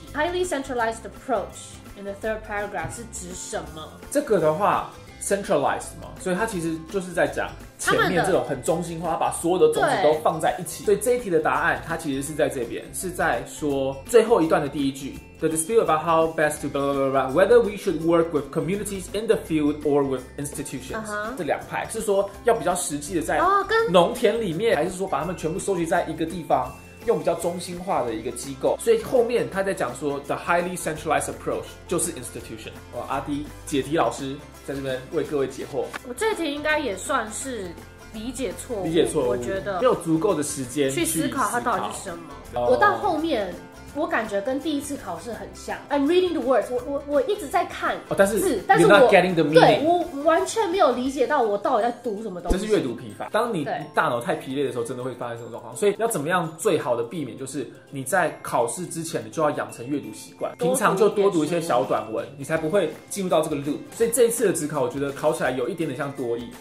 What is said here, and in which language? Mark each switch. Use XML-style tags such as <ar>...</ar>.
<en>Highly centralized approach in the third paragraph</en> <zh>是指什么？这个的话 centralized 嘛，所以它其实就是在讲前面这种很中心化，把所有的种子都放在一起。所以这一题的答案它其实是在这边，是在说最后一段的第一句。</zh> <en>The dispute about how best to blah blah blah blah, whether we should work with communities in the field or with institutions、uh-huh.</en> <zh>这两派是说要比较实际的在农田里面、oh, 还是说把他们全部收集在一个地方用比较中心化的一个机构，所以后面他在讲说</zh> <en>the highly centralized approach</en> <zh>就是 institution。哇，阿迪解题老师在这边为各位解惑，我这题应该也算是理解错误，理解错误，我觉得没有足够的时间去思考它到底是什么、oh. 我到后面我感觉跟第一次考试很像。</zh> <en>I'm reading the words，</en> <zh>我一直在看字，哦、但是我</zh> <en>not getting the meaning，</en> <zh>对，我完全没有理解到我到底在读什么东西。这是阅读疲乏。当你大脑太疲累的时候，真的会发生什么状况？所以要怎么样最好的避免，就是你在考试之前，你就要养成阅读习惯，平常就多读一些小短文，你才不会进入到这个 loop。所以这一次的指考，我觉得考起来有一点点像多益。</zh>